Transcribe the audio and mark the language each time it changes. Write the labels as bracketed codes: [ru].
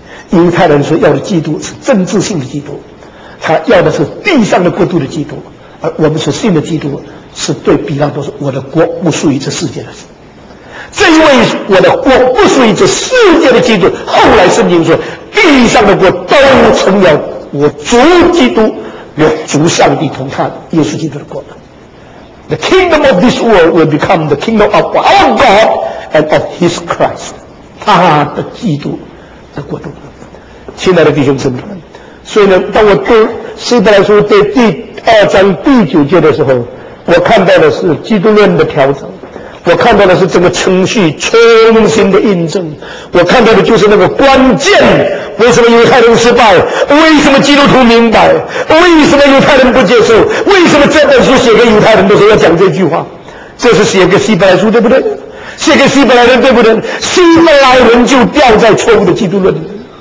[zh] 犹太人说要的基督是政治性的基督，他要的是地上的国度的基督，而我们所信的基督是对比拉多说我的国不属于这世界的。这位我的国不属于这世界的基督，后来圣经说地上的国都成了我主基督与主上帝同他耶稣基督的国。 [en] The kingdom of this world will become the kingdom of our God and of his Christ， [zh] 他的基督的国度。亲爱的弟兄姊妹们，所以呢，当我读希伯来书在第二章第九节的时候，我看到的是基督论的调整，我看到的是整个程序重新的印证，我看到的就是那个关键，为什么犹太人失败，为什么基督徒明白，为什么犹太人不接受，为什么这本书写给犹太人的时候要讲这句话，这是写给希伯来书对不对，写给希伯来人对不对，希伯来人就掉在错误的基督论里。